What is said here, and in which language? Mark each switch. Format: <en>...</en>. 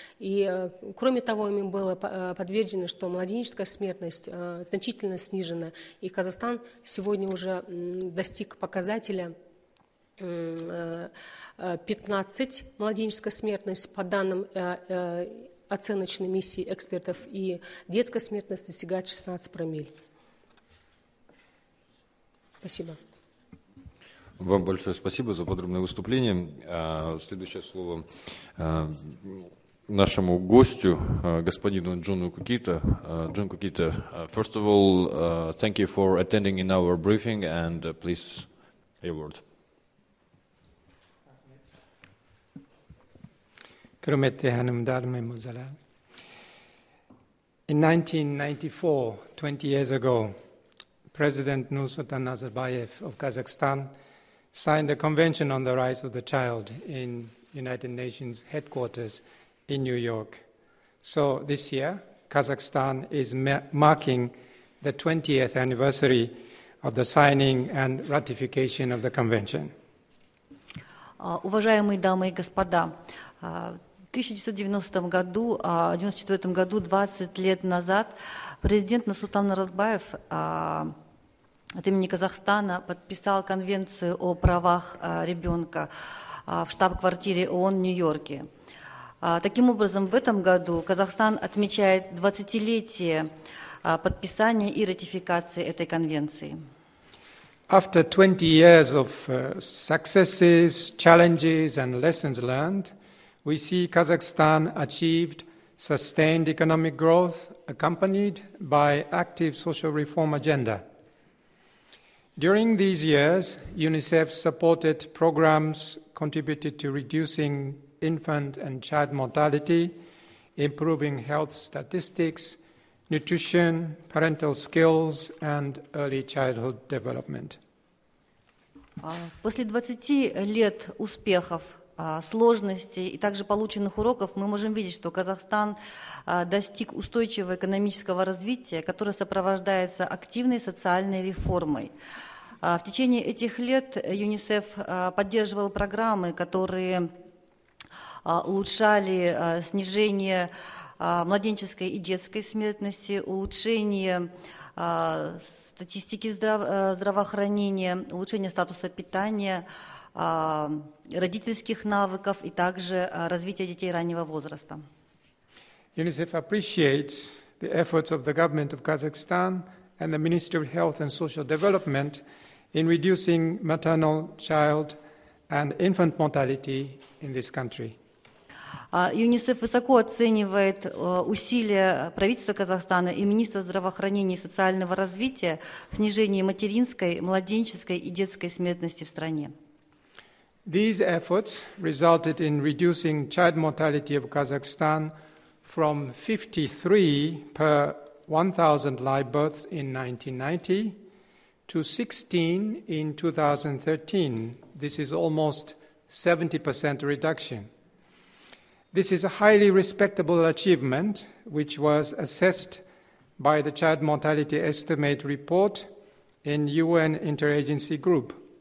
<ru>И кроме того, им было подтверждено, что младенческая смертность значительно снижена, и Казахстан сегодня уже достиг показателя 15 младенческая смертность, по данным оценочной миссии экспертов, и детская смертность достигает 16 промилле. Спасибо. Вам большое спасибо за подробное выступление. Следующее слово нашему гостю, господину Джону Кукита.</ru> <en>Джон Кукита, first of all, thank you for attending in our briefing, and please, a word. In 1994, 20 years ago, President Nursultan Nazarbayev of Kazakhstan signed the Convention on the Rights of the Child in United Nations headquarters in New York. So this year, Kazakhstan is marking the 20th anniversary of the signing and ratification of the convention.</en> <ru>Уважаемые дамы и господа, в 1994 году, 20 лет назад, президент Нурсултан Назарбаев от имени Казахстана подписал конвенцию о правах ребенка в штаб-квартире ООН в Нью-Йорке. Таким образом, в этом году Казахстан отмечает 20-летие подписания и ратификации этой конвенции.</ru> <en>After 20 years of successes, challenges and lessons learned, we see Kazakhstan achieved sustained economic growth accompanied by active social reform agenda. During these years, UNICEF supported programs contributed to reducing infant and child mortality, improving health statistics, nutrition, parental skills, and early childhood development.</en> <ru>После 20 лет успехов, сложностей и также полученных уроков, мы можем видеть, что Казахстан достиг устойчивого экономического развития, которое сопровождается активной социальной реформой. В течение этих лет ЮНИСЕФ поддерживал программы, которые улучшали снижение младенческой и детской смертности, улучшение статистики здравоохранения, улучшение статуса питания, родительских навыков и также развития детей раннего возраста.</ru> <en>UNICEF appreciates the efforts of the government of Kazakhstan and the Ministry of Health and Social Development in reducing maternal, child and infant mortality in this country.</en> <ru>UNICEF высоко оценивает усилия правительства Казахстана и министра здравоохранения и социального развития в снижении материнской, младенческой и детской смертности в стране.</ru> <en>These efforts resulted in reducing child mortality of Kazakhstan from 53 per 1,000 live births in 1990 to 16 in 2013. This is almost 70% reduction. This is a highly respectable achievement, which was assessed by the Child Mortality Estimate Report in UN Interagency Group.</en>